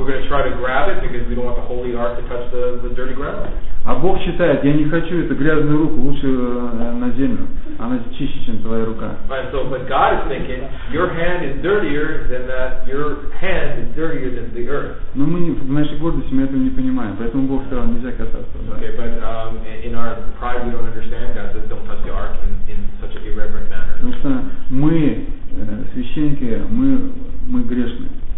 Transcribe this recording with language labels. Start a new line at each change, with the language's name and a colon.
English: We're going to try to grab it because we don't want the holy ark to touch the dirty ground.
Russian: А Бог считает, я не хочу эту грязную руку, лучше на землю. Она чище, чем твоя рука.
English: Right, so, but God is thinking, your hand is dirtier than that, your hand is dirtier than the earth.
Russian: Но мы в нашей гордости мы этого не понимаем, поэтому Бог сказал, нельзя касаться. Да.
English: Okay, but in our pride we don't understand, God says, don't touch the ark in such an irreverent manner.
Russian: Потому что мы, священники, мы грешны.